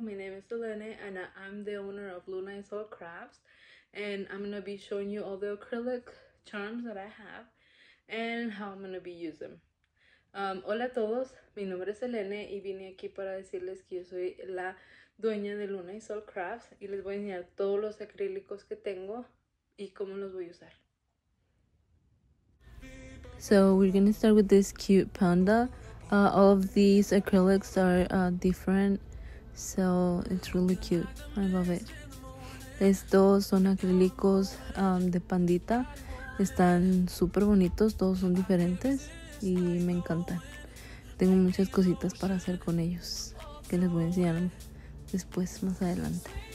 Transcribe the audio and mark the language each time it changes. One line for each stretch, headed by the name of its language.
English: My name is Selene, and I'm the owner of Luna is All Crafts, and I'm gonna be showing you all the acrylic charms that I have and how I'm gonna be using them.
Spanish: Hola a todos. Mi nombre es Selene, y vine aquí para decirles que yo soy la dueña de Luna is All Crafts, y les voy a enseñar todos los acrílicos que tengo y cómo los voy a usar.
English: So we're gonna start with this cute panda. All of these acrylics are different, so it's really cute. I love it.
Spanish: Estos son acrílicos de pandita. Están super bonitos, todos son diferentes y me encantan. Tengo muchas cositas para hacer con ellos que les voy a enseñar después, más adelante.